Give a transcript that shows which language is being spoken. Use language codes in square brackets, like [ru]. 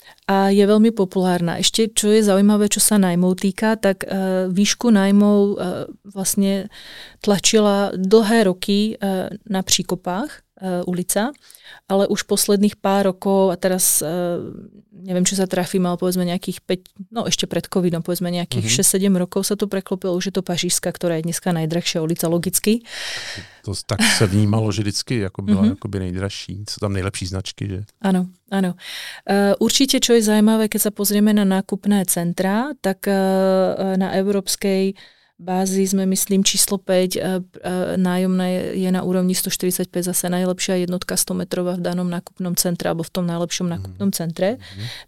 [sk] A je veľmi populárna. Ešte, čo je zaujímavé, čo sa nájmov týka, tak výšku nájmov vlastne tlačila dlhé roky na Příkopách ulica, ale už posledných pár rokov, a teraz neviem, čo sa trafím, ale povedzme nejakých 5, no ešte pred covidom, povedzme nejakých 6-7 rokov sa to preklopilo, už je to Pařížská, ktorá je dneska najdrahšia ulica, logicky. [cs] To tak sa vnímalo, že vždycky jako byla jakoby nejdražší, co tam nejlepší značky, že? Ano, ano. [sk] Určite, čo je zaujímavé, keď sa pozrieme na nákupné centra, tak na európskej bázi sme, myslím, číslo 5, nájomné je na úrovni 145, zase najlepšia jednotka 100 metrová v danom nákupnom centre alebo v tom najlepšom nákupnom centre. Mm-hmm.